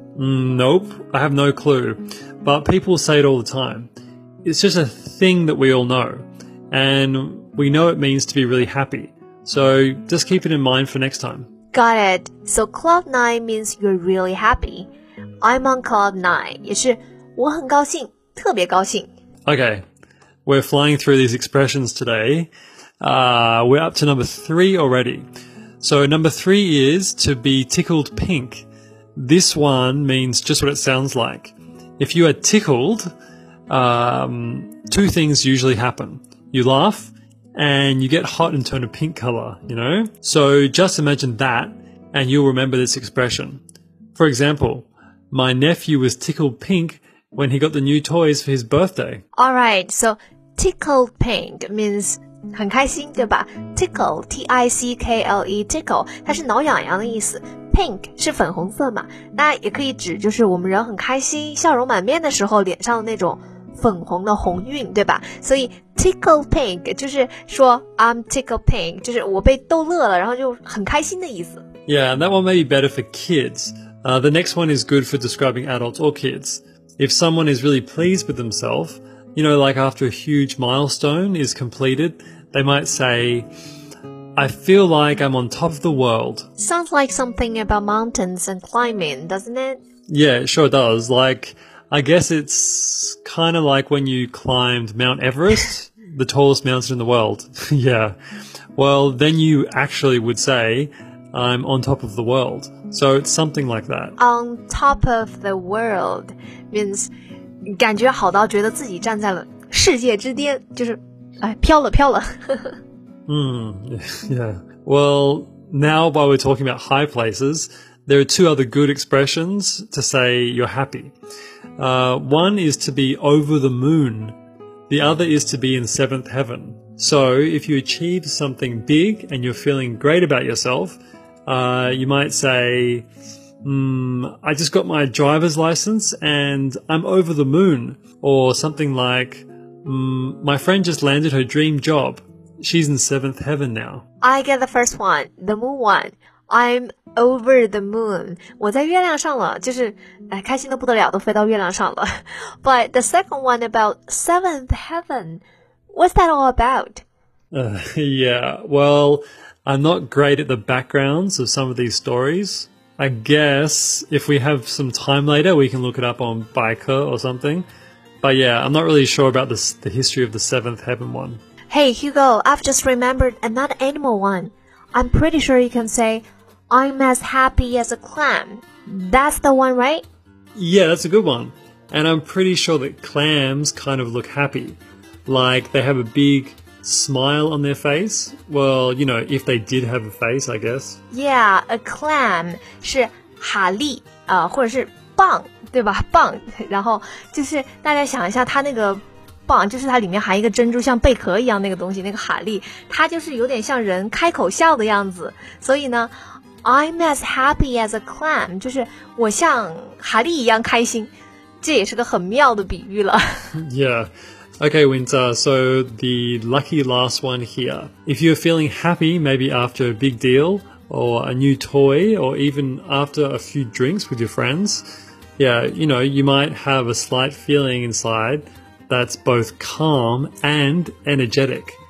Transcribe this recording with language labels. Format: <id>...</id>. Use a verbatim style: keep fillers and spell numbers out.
<en>Nope, I have no clue, but people say it all the time. It's just a thing that we all know, and we know it means to be really happy. So just keep it in mind for next time. Got it. So cloud nine means you're really happy. I'm on cloud nine.</en> <zh>也是我很高兴，特别高兴。</zh> <en>Okay, we're flying through these expressions today. Uh, we're up to number three already. So number three is to be tickled pink. This one means just what it sounds like. If you are tickled, um, two things usually happen. You laugh and you get hot and turn a pink color, you know? So just imagine that and you'll remember this expression. For example, my nephew was tickled pink when he got the new toys for his birthday. All right, so tickled pink means...</en> <zh>很开心对吧</zh> <en>Tickle, T-I-C-K-L-E, tickle</en> <zh>它是挠痒痒的意思 Pink 是粉红色嘛那也可以指就是我们人很开心笑容满面的时候脸上的那种粉红的红晕对吧所以 Tickle pink 就是说</zh> <en>I'm tickle pink</en> <zh>就是我被逗乐了然后就很开心的意思</zh> <en>Yeah, and that one may be better for kids、uh, The next one is good for describing adults or kids If someone is really pleased with themselves You know, like after a huge milestone is completed, they might say, I feel like I'm on top of the world. Sounds like something about mountains and climbing, doesn't it? Yeah, it sure does. Like, I guess it's kind of like when you climbed Mount Everest, the tallest mountain in the world. Yeah. Well, then you actually would say, I'm on top of the world. So it's something like that. On top of the world means...</en> <zh>感觉好到觉得自己站在了世界之巅就是哎飘了飘了。</zh> <en>mm, yeah. Well, now while we're talking about high places, there are two other good expressions to say you're happy. Uh, one is to be over the moon. The other is to be in seventh heaven. So if you achieve something big and you're feeling great about yourself, uh, you might say... Mm, I just got my driver's license and I'm over the moon. Or something like, mm, my friend just landed her dream job. She's in seventh heaven now. I get the first one, the moon one. I'm over the moon.</en> <zh>我在月亮上了，就是哎，开心的不得了，都飞到月亮上了。</zh> <en>But the second one about seventh heaven, what's that all about? Uh, yeah, well, I'm not great at the backgrounds of some of these stories. I guess if we have some time later, we can look it up on Biker or something. But yeah, I'm not really sure about this, the history of the seventh heaven one. Hey, Hugo, I've just remembered another animal one. I'm pretty sure you can say, I'm as happy as a clam. That's the one, right? Yeah, that's a good one. And I'm pretty sure that clams kind of look happy. Like they have a big... smile on their face? Well, you know, if they did have a face, I guess. Yeah, a clam</en> <zh>是蛤蜊、呃、或者是蚌对吧蚌然后就是大家想一下它那个棒，就是它里面含一个珍珠，像贝壳一样那个东西，那个蛤蜊，它就是有点像人开口笑的样子。所以呢 ，</zh> <en>I'm as happy as a clam，</en> <zh>就是我像蛤蜊一样开心，这也是个很妙的比喻了。</zh> <en>Yeah. Okay, Winter, so the lucky last one here. If you're feeling happy, maybe after a big deal, or a new toy, or even after a few drinks with your friends, yeah, you know, you might have a slight feeling inside that's both calm and energetic.</en>